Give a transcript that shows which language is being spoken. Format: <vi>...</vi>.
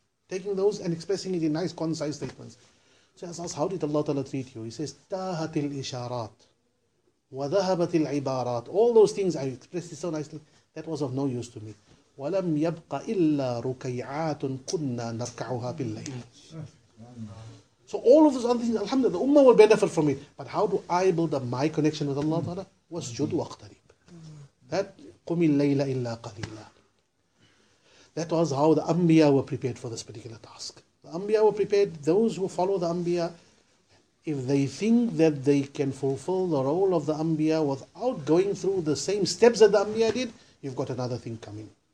<en>Taking those and expressing it in nice, concise statements. So he asks, how did Allah Ta'ala treat you? He says,</en> <ar>تَاهَتِ الْإِشَارَاتِ وَذَهَبَتِ الْعِبَارَاتِ.</ar> <en>All those things I expressed it so nicely, that was of no use to me.</en> <ar>وَلَمْ يَبْقَ إِلَّا رُكَيْعَاتٌ كُنَّا نَرْكَعُهَا بِاللَّيْلِ.</ar> <en>So all of those other things, alhamdulillah, the ummah will benefit from it. But how do I build up my connection with Allah Ta'ala?</en> <ar>وَسْجُدْ وَاقْتَرِبْ.</ar> <en>That,</en> <ar>قُمِ اللَّيْلَ إِلَّا قَلِيلًا.</ar> <en>That was how the Anbiya were prepared for this particular task. The Anbiya were prepared, those who follow the Anbiya, if they think that they can fulfill the role of the Anbiya without going through the same steps that the Anbiya did, you've got another thing coming.</en>